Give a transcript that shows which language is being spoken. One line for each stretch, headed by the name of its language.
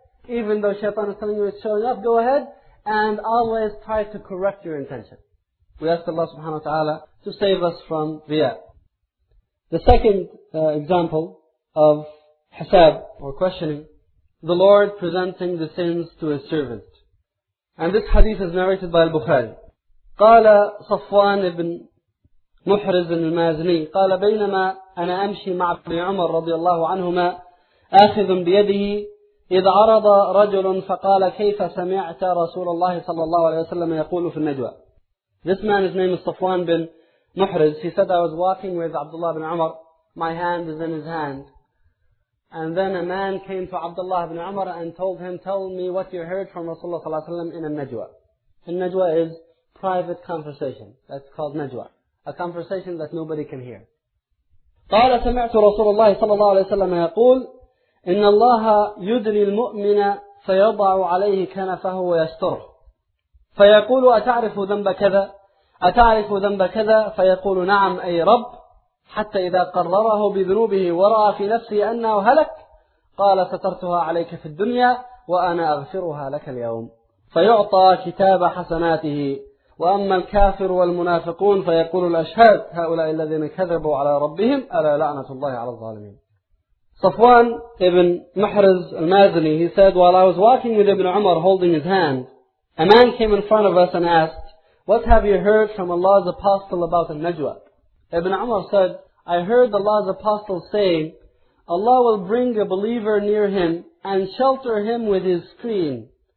English: Even though Shaitan is telling you it's showing off, go ahead. And always try to correct your intention. We ask Allah subhanahu wa ta'ala to save us from riya. The second example of hisab or questioning, the Lord presenting the sins to His servant. And this hadith is narrated by Al-Bukhari.
Arabic: قال صفوان بن محرز المازني قال بينما أنا أمشي مع ابن عمر رضي الله عنهما آخذ بيده إذ عرض رجل فقال كيف سمعت رسول الله صلى الله عليه وسلم يقول في النجوى.
English: This man is named Safwan bin Muhriz. He said, I was walking with Abdullah bin Umar. My hand is in his hand. And then a man came to Abdullah bin Umar and told him, tell me what you heard from Rasulullah
Arabic: صلى الله عليه وسلم
English: in a najwa. A najwa is private conversation. That's called najwa. A conversation that nobody can hear.
Arabic: قال سمعت رسول الله صلى الله عليه وسلم يقول إن الله يدري المؤمن فيضع عليه كنفه ويستره فيقول أتعرف ذنب كذا أتعرف ذنب كذا فيقول نعم أي رب حتى إذا قرره بذنوبه ورأى في نفسه أنه هلك قال سترتها عليك في الدنيا وأنا أغفرها لك اليوم فيعطى كتاب حسناته وأما الكافر والمنافقون فيقول الأشهاد هؤلاء الذين كذبوا على ربهم ألا لعنة الله على الظالمين.
English: Safwan ibn Muhriz al-Mazni, he said, while I was walking with Ibn Umar holding his hand, a man came in front of us and asked, what have you heard from Allah's apostle about al-Najwa? Ibn Umar said, I heard Allah's apostle say, Allah will bring a believer near him and shelter him with his screen.